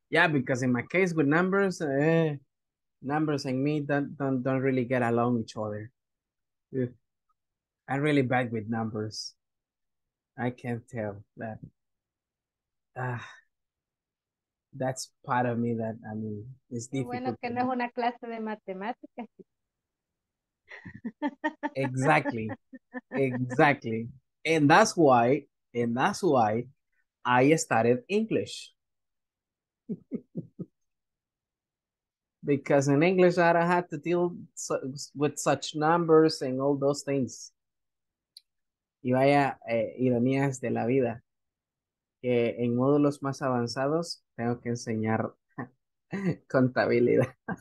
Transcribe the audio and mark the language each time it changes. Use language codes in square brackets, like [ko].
[en] Yeah, because in my case with numbers, numbers and me don't really get along each other. I'm really bad with numbers. I can't tell that. That's part of me that, I mean, it's difficult. [es] Bueno, que no es una clase de matemáticas. [en] Exactly. Exactly. And that's why I started English. Because in English, I had to deal with such numbers and all those things. [es] Y vaya ironías de la vida. Que en módulos más avanzados tengo que enseñar contabilidad.